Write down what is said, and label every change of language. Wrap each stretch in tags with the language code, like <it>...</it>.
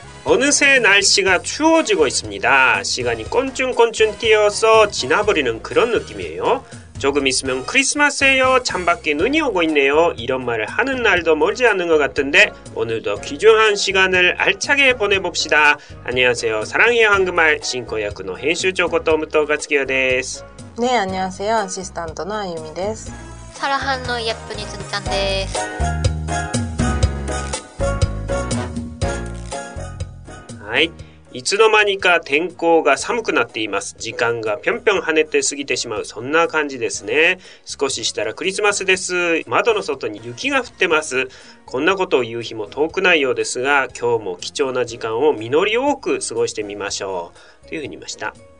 <ko>어느새 날씨가 추워지고 있습니다. 시간이 꼰쭉꼰쭉 뛰어서 지나버리는 그런 느낌이에요. 조금 있으면 크리스마스예요. 찬밖에 눈이 오고 있네요. 이런 말을 하는 날도 멀지 않은 것 같은데 오늘도 귀중한 시간을 알차게 보내봅시다. 안녕하세요.</ko> <ja>사랑해요 한국말 신코야쿠노 編集長ことムトガツキヨです.</ja> <ko>네, 안녕하세요.</ko> <ja>아시스탄트의 아유미です.</ja> <ko>사랑하는 예쁜이 준짠です.</ko> <ja>はい、いつの間にか天候が寒くなっています。時間がぴょんぴょん跳ねて過ぎてしまう、そんな感じですね。少ししたらクリスマスです。窓の外に雪が降ってます。こんなことを言う日も遠くないようですが、今日も貴重な時間を実り多く過ごしてみましょう。というふうに言いました。</ja>